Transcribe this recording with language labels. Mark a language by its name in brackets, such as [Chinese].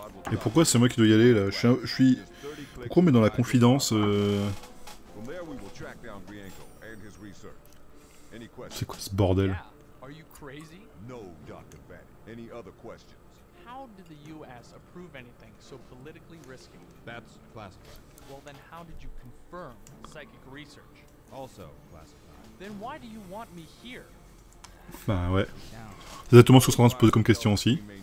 [French] Et pourquoi c'est moi qui dois y aller là? Je suis... Pourquoi on met dans la confidence [English] From there, we will track down Grienko and his research. Any questions? [French] C'est quoi ce bordel? [English] Are you crazy? No, Dr. Batty. Any other questions? How did the U.S. approve anything so politically risky? That's classified. Well, then how did you confirm psychic research? Also classified. Then why do you want me here? [French] Enfin, ouais. C'est exactement ce qu'on se pose comme question aussi.